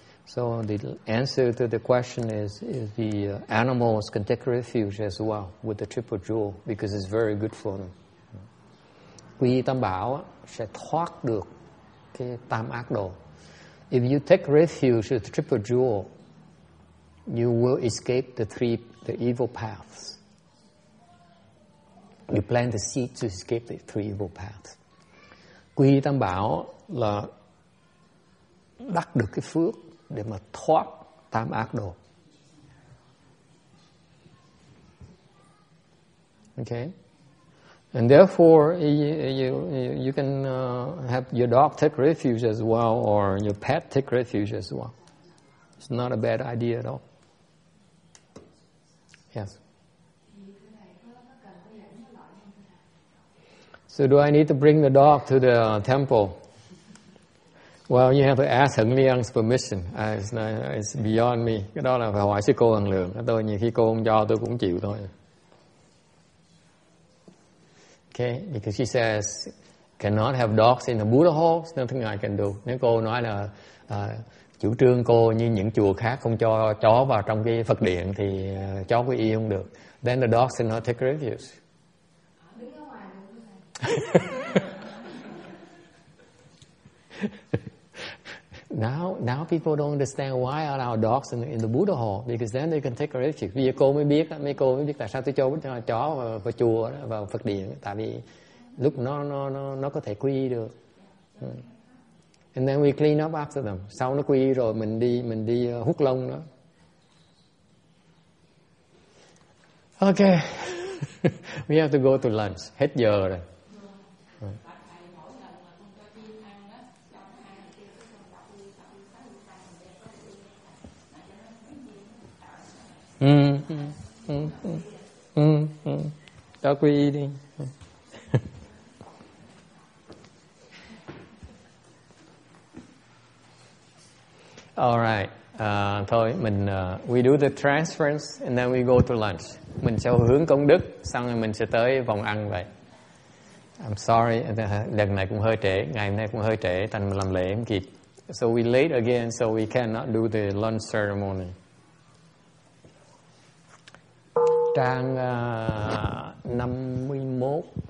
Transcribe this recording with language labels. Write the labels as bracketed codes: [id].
[en] So the answer to the question is the animals can take refuge as well with the triple jewel because it's very good for them. [vi] Quy tam bảo sẽ thoát được cái tam ác đồ. [en] If you take refuge with the triple jewel, you will escape the evil paths. You plant the seed to escape the three evil paths. [vi] Quy tam bảo là đắc được cái phước để mà thoát tam ác đồ. [en] Okay. And therefore, you can have your dog take refuge as well, or your pet take refuge as well. It's not a bad idea at all. Yes. So do I need to bring the dog to the temple? Well, you have to ask Hằng Liang's permission. It's beyond me. [vi] Cái đó là phải hỏi sư cô Hằng Lượng. Tôi nhiều khi cô không cho tôi cũng chịu thôi. [en] Okay, because she says cannot have dogs in the Buddha hall, it's nothing I can do. [vi] Nếu cô nói là chủ trương cô như những chùa khác không cho chó vào trong cái Phật điện thì chó có y không được. [en] Then the dogs will not take refuge. Now people don't understand why are our dogs in the Buddha hall, because then they can take refuge. [vi] Vì cô mới biết, tại sao tôi cho chó vào chùa, vào Phật điện, tại vì lúc nó có thể quy được. [en] And then we clean up after them. [vi] Sau nó quy rồi mình đi hút lông nó. [en] Okay. We have to go to lunch. [vi] Hết giờ rồi. Đó quy y đi. [en] All right. [vi] Thôi mình [en] we do the transference and then we go to lunch. [vi] Mình sẽ hướng công đức xong rồi mình sẽ tới vòng ăn vậy. [en] I'm sorry, [vi] lần này cũng hơi trễ, ngày hôm nay cũng hơi trễ thành mình làm lễ không kịp. [en] So we late again, so we cannot do the lunch ceremony. [vi] Trang 51.